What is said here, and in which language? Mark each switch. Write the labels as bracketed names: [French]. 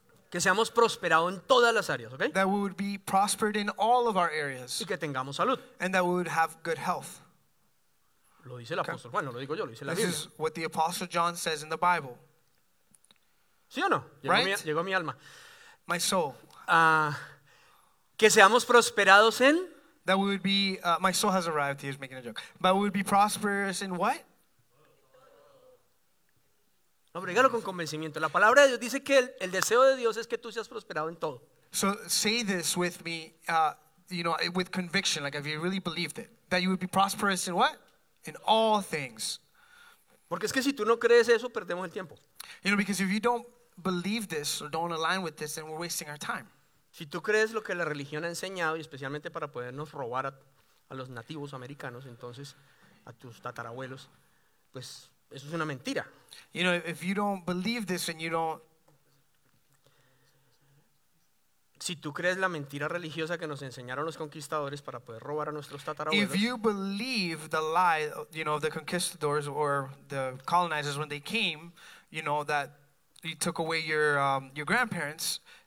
[Spanish] Que seamos prosperados en todas las áreas, ¿okay? [English] That we would be prospered in all of our areas. [Spanish] Y que tengamos salud. [English] And that we would have good health. [Spanish] Lo dice el apóstol. Bueno, lo digo yo, lo dice la Biblia. [English] This is what the apostle John says in the Bible. [Spanish] ¿Sí o no? Llegó, right? llegó mi alma. [English] My soul. [Spanish] Que seamos prosperados en. [English] That we would be. My soul has arrived. He is making a joke. But we would be prosperous in what? [Spanish] No, brígalo con convencimiento. La palabra de Dios dice que el deseo de Dios es que tú seas prosperado en todo. [English] So say this with me, you know, with conviction, like if you really believed it, that you would be prosperous in what? In all things. [Spanish] Porque es que si tú no crees eso, perdemos el tiempo. [English] You know, because if you don't believe this or don't align with this, then we're wasting our time. [Spanish] Si tú crees lo que la religión ha enseñado, y especialmente para podernos robar a los nativos americanos, entonces a tus tatarabuelos, pues eso es una mentira. [English] You know, if you don't believe this and you don't. [Spanish] Si tú crees la mentira religiosa que nos enseñaron los conquistadores para poder robar a nuestros tatarabuelos. [English] If you believe the lie, you know, of the conquistadors or the colonizers when they came, you know, that you took away your grandparents.